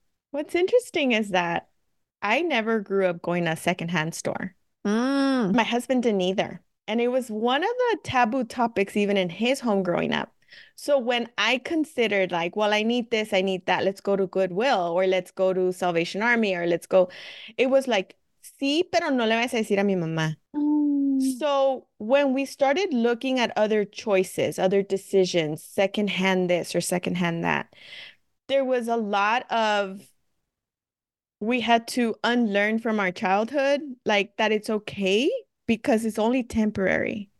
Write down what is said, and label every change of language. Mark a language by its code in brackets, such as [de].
[en] What's interesting is that I never grew up going to a secondhand store. Mm. My husband didn't either. And it was one of the taboo topics even in his home growing up. So when I considered like, well, I need this, I need that, let's go to Goodwill or let's go to Salvation Army or let's go. It was like, [es] sí, pero no le vas a decir a mi mamá. [en] So when we started looking at other choices, other decisions, secondhand this or secondhand that, there was a lot of, we had to unlearn from our childhood, like that it's okay because it's only temporary.